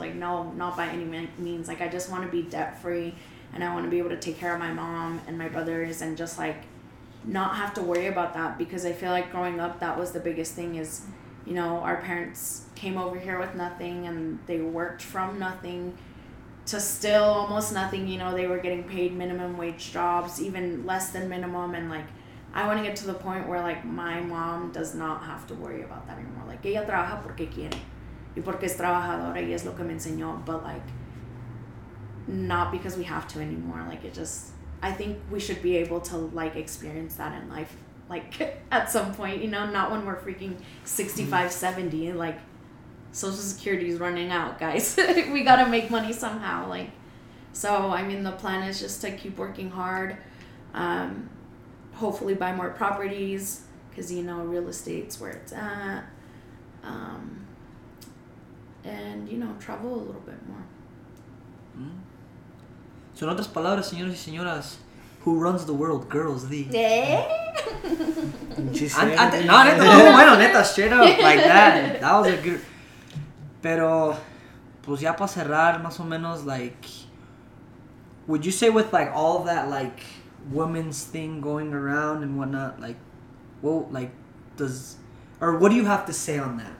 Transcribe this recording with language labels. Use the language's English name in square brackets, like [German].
[English] Like, no, not by any means. Like, I just want to be debt-free, and I want to be able to take care of my mom and my brothers and just, like, not have to worry about that, because I feel like growing up, that was the biggest thing is, you know, our parents came over here with nothing, and they worked from nothing to still almost nothing. You know, they were getting paid minimum wage jobs, even less than minimum, and, like, I want to get to the point where, like, my mom does not have to worry about that anymore. [Spanish] Like, ella trabaja porque quiere y porque es trabajadora y es lo que me enseñó, [English] but, like, not because we have to anymore. Like, it just, I think we should be able to, like, experience that in life, like, at some point, you know, not when we're freaking 65, 70, like, Social Security is running out, guys. We gotta make money somehow, like, so, I mean, the plan is just to keep working hard, hopefully buy more properties, because, you know, real estate's where it's at, and, you know, travel a little bit more. Mm-hmm. So in [Spanish] otras palabras, señores y señoras, [English] who runs the world, girls, the... ¿Eh? [Spanish] No, neta, no, bueno, neta, [English] straight up, like that. That was a good... [Spanish] Pero, pues ya para cerrar, más o menos, like... [English] Would you say with, like, all that, like, women's thing going around and whatnot, like... Well, like, does... Or what do you have to say on that?